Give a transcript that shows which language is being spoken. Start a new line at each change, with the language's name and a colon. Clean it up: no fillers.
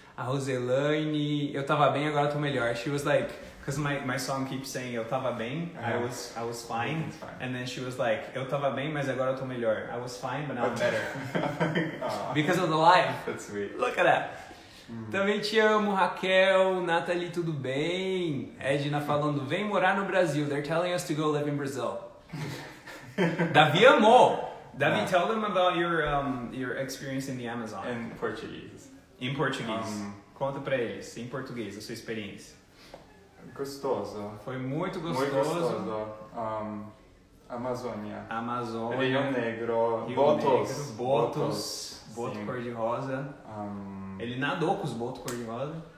Portuguese: A Roselaine, eu tava bem, agora eu tô melhor.
English: She was like, because my song keeps saying,
Portuguese: eu tava bem,
English: I was fine. And then she was like,
Portuguese: eu tava bem, mas agora eu tô melhor.
English: I was fine, but now I'm better. Because of the life. That's sweet. Look at that. Mm-hmm.
Portuguese: Também te amo,
English: Raquel.
Portuguese: Nathalie, tudo bem? Edna falando, vem morar no Brasil.
English: They're telling us to go live in Brazil.
Portuguese: Davi amou.
English: Davi, tell them about your experience in the Amazon. In Portuguese. In Portuguese.
Portuguese: Conta pra eles, em português, a sua experiência. Gostoso. Foi muito gostoso. Muito gostoso. Amazônia. Amazônia. Rio Negro. Botos. Botos. Boto cor-de-rosa. Ele nadou com os botos cor-de-rosa.